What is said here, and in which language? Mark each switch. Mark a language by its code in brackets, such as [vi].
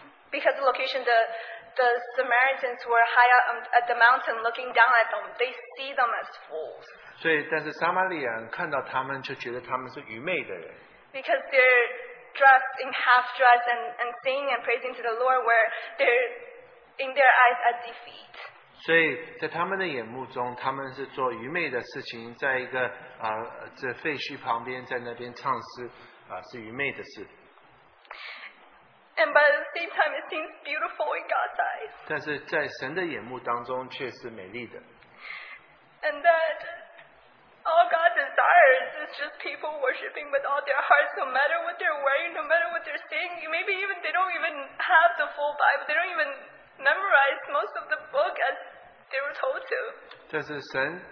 [en] because the location, the Samaritans were high up at the mountain, looking down at them. They see them as fools. [zh] 所以，但是撒玛利亚人看到他们，就觉得他们是愚昧的人。 [en] Because they're dressed in half dress and singing and praising to the Lord, where they're in their eyes at defeat. [zh] 所以在他们的眼目中，他们是做愚昧的事情，在一个这废墟旁边，在那边唱诗，是愚昧的事。 [en] And by the same time, it seems beautiful in God's eyes. [zh] 但是在神的眼目当中，却是美丽的。 [en] And that all God desires is just people worshiping with all their hearts, no matter what they're wearing, no matter what they're saying. Maybe even they don't even have the full Bible. They don't even memorize most of the book as they were told to.